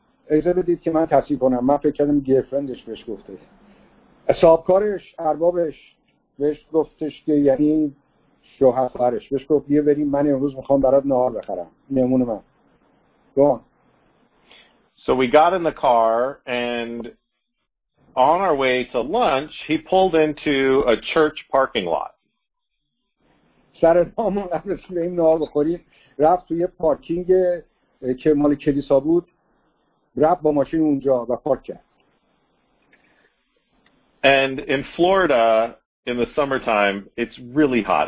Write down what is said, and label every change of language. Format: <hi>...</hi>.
<fa>اجازه بدید که من تصحیح کنم. من فکر کردم گرفرندش بهش گفته. صاحبکارش اربابش بهش گفتش که یعنی شوهر خواهرش بهش گفت بیا بریم من امروز میخوام برات نهار بخرم مهمون من.</fa> <en>Go on. So we got in the car and on our way to lunch he pulled into a church parking lot.</en> <fa>سر راهمون قبل از اینکه نهار بخوریم رفت توی پارکینگ که مال کلیسا بود رفت با ماشین اونجا و پارک کرد.</fa> <en>And in Florida, in the summertime, it's really hot.</en>